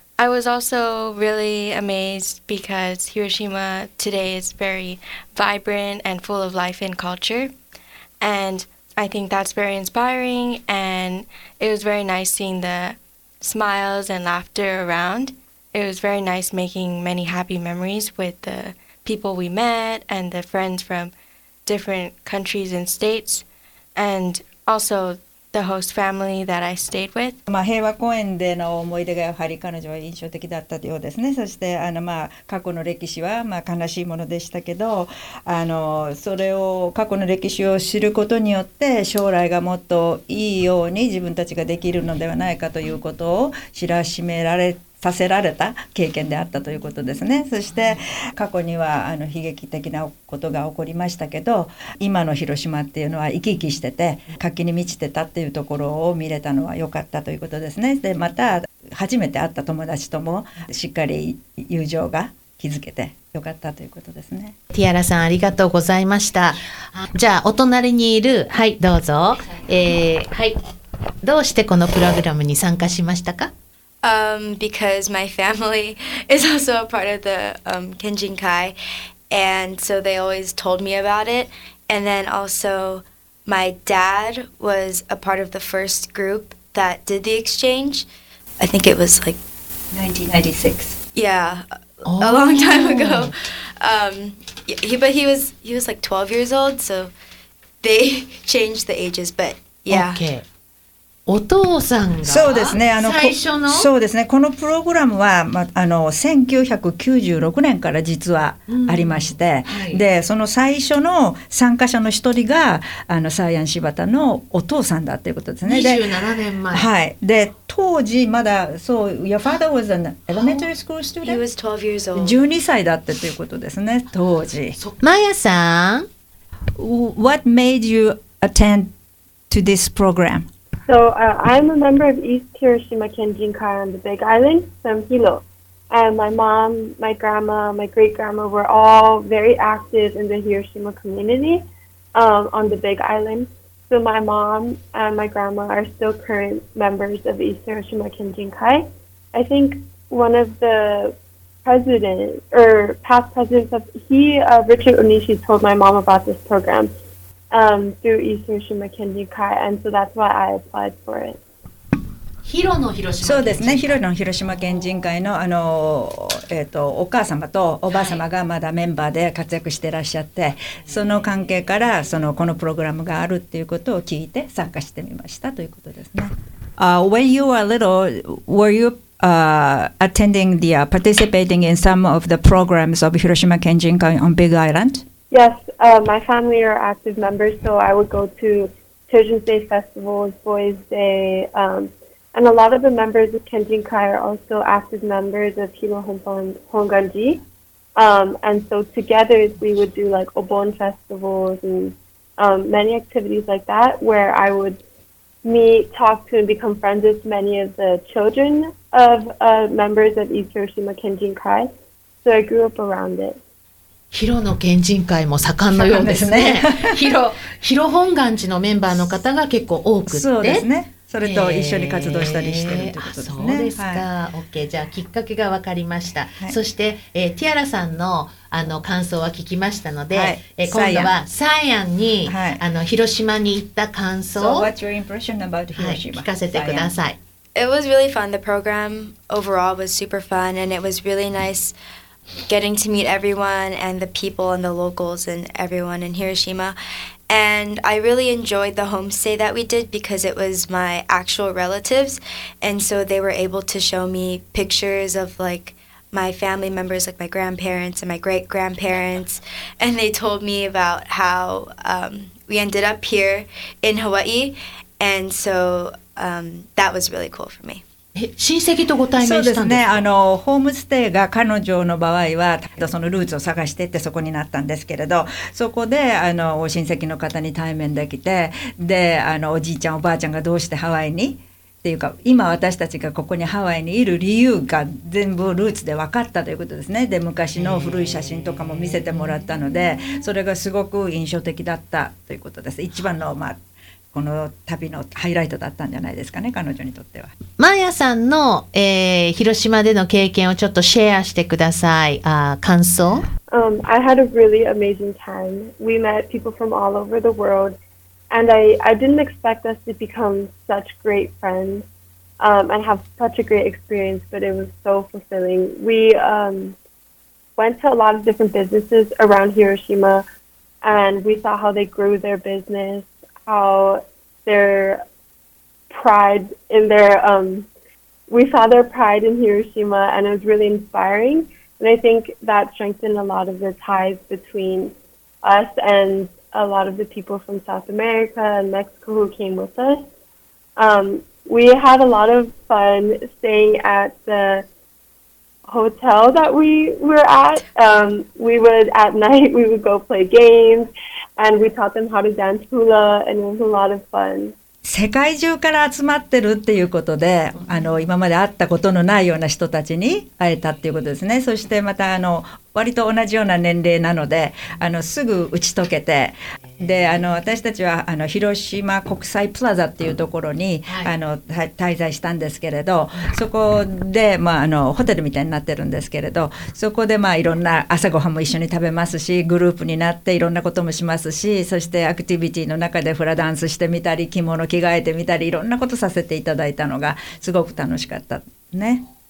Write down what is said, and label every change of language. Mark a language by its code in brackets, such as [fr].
[en] I was also really amazed because Hiroshima today is very vibrant and full of life and culture, andI think that's very inspiring, and it was very nice seeing the smiles and laughter around. It was very nice making many happy memories with the people we met and the friends from different countries and states, and also the host family that I stayed with. [ja] まあ、平和公園での思い出がやはり彼女は印象的だったようですね。そして、まあ、過去の歴史は、まあ、悲しいものでしたけど、それを過去の歴史を知ることによって、将来がもっといいように自分たちができるのではないかということを知らしめられて、させられた経験であったということですね。そして過去には悲劇的なことが起こりましたけど、今の広島っていうのは生き生きしてて活気に満ちてたっていうところを見れたのは良かったということですね。でまた初めて会った友達ともしっかり友情が築けて良かったということですね。ティアラさんありがとうございました。じゃあお隣にいる、はいどうぞ、はい、どうしてこのプログラムに参加しましたか？ [en] Because my family is also a part of the Kenjinkai, and so they always told me about it. And then also, my dad was a part of the first group that did the exchange. I think it was like 1996. Yeah, a long time ago. He was like 12 years old, so they changed the ages, but yeah. [ja] Okay. お父さんが、そうですね、最初の、そうですね、このプログラムは、ま、1996年から実はありまして、うん、はい、でその最初の参加者の一人がサイアン柴田のお父さんだということですね。 27年前、はい、で当時まだ、そう、 [en] Your father was an elementary school student? He was 12 years old. [ja] 12歳だったということですね、当時。マヤさん、 [en] What made you attend to this program? So I'm a member of East Hiroshima Kenjinkai on the Big Island, so I'm Hilo. And my mom, my grandma, my great-grandma were all very active in the Hiroshima community on the Big Island. So my mom and my grandma are still current members of East Hiroshima Kenjinkai. I think one of the presidents, or past presidents, of, Richard Onishi told my mom about this program. Through East Hiroshima Kenjinkai, and so that's why I applied for it. [ja] Hiro の広島。そうですね。 Hiro の広島県人会の、お母様とおばあ様がまだメンバーで活躍してらっしゃって、はい、その関係からそのこのプログラムがあるっていうことを聞いて参加してみましたということですね。 [en] When you were little, were you attending the participating in some of the programs of Hiroshima Kenjinkai on Big Island? Yes, my family are active members, so I would go to Children's Day festivals, Boys' Day, and a lot of the members of Kenjinkai are also active members of Hilo Honganji. And so together we would do like Obon festivals and many activities like that, where I would meet, talk to, and become friends with many of the children of members of East Hiroshima Kenjinkai. So I grew up around it. [ja] ヒロの県人会も盛んのようですね。ヒロ本願寺のメンバーの方が結構多くって、そうですね。それと一緒に活動したりしてるということですね。そうですか。はい、OK。じゃあ、きっかけが分かりました。はい、そして、ティアラさんの、感想は聞きましたので、はい、今度はサイアンに、はい、広島に行った感想を、 [en] so what's your impression about Hiroshima? [ja] はい、聞かせてください。 [en] It was really fun. The program overall was super fun and it was really nice. Getting to meet everyone and the people and the locals and everyone in Hiroshima. And I really enjoyed the homestay that we did because it was my actual relatives. And so they were able to show me pictures of like my family members, like my grandparents and my great grandparents. And they told me about how we ended up here in Hawaii. And so that was really cool for me. [ja] 親戚とご対面したんですか？そうですね、ホームステイが彼女の場合はそのルーツを探していってそこになったんですけれど、そこで親戚の方に対面できて、でおじいちゃんおばあちゃんがどうしてハワイにっていうか、今私たちがここにハワイにいる理由が全部ルーツで分かったということですね。で昔の古い写真とかも見せてもらったので、それがすごく印象的だったということです。一番のまあこの旅のハイライトだったんじゃないですかね、彼女にとっては。マヤさんの、広島での経験をちょっとシェアしてください。感想。 [en] I had a really amazing time. We met people from all over the world, and I didn't expect us to become such great friends, and have such a great experience. But it was so fulfilling. We went to a lot of different businesses around Hiroshima, and we saw how they grew their business. How their pride in their, we saw their pride in Hiroshima, and it was really inspiring. And I think that strengthened a lot of the ties between us and a lot of the people from South America and Mexico who came with us. We had a lot of fun staying at the hotel that we were at. We would, at night, we would go play games. And we taught them how to dance hula, and it was a lot of fun. [ja] 世界中から集まってるっていうことで、今まで会ったことのないような人たちに会えたっていうことですね。そしてまた割と同じような年齢なので、すぐ打ち解けて、で私たちは広島国際プラザっていうところに、はい、滞在したんですけれど、そこで、まあ、ホテルみたいになってるんですけれど、そこで、まあ、いろんな朝ごはんも一緒に食べますし、グループになっていろんなこともしますし、そしてアクティビティの中でフラダンスしてみたり、着物着替えてみたり、いろんなことさせていただいたのがすごく楽しかったね。